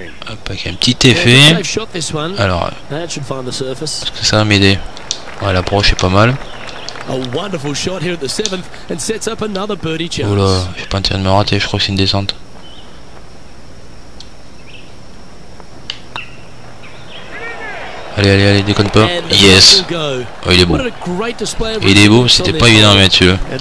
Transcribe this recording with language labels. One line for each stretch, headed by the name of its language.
French: Hop, avec un petit effet. Alors, est-ce que ça va m'aider? Ouais, l'approche est pas mal.
English: A wonderful shot here at the 7th and sets up another birdie chance.
French: Oula, j'ai pas intérêt de me rater, je crois que c'est une descente. Allez, allez, allez, déconne pas. Yes. Oh, il est beau. Il est beau, c'était pas évident à mettre celui-là.